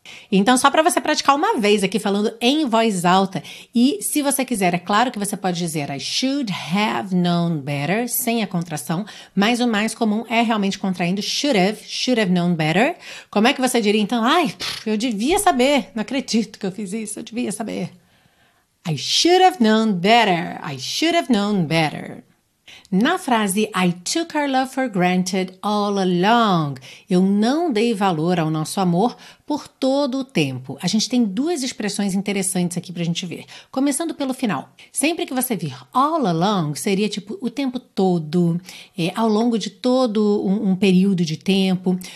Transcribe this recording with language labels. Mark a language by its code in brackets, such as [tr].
[pt] Então, só para você praticar uma vez aqui falando em voz alta, e se você quiser, é claro que você pode dizer [en] I should have known better, [pt] sem a contração, mas o mais comum é realmente contraindo [en] should have known better. [pt] Como é que você diria então? Ai, eu devia saber, não acredito que eu fiz isso, eu devia saber. [en] I should have known better, I should have known better. [pt] Na frase, [en] I took our love for granted all along, [pt] eu não dei valor ao nosso amor por todo o tempo. A gente tem duas expressões interessantes aqui pra gente ver. Começando pelo final, sempre que você vir all along, seria tipo o tempo todo, ao longo de todo um período de tempo.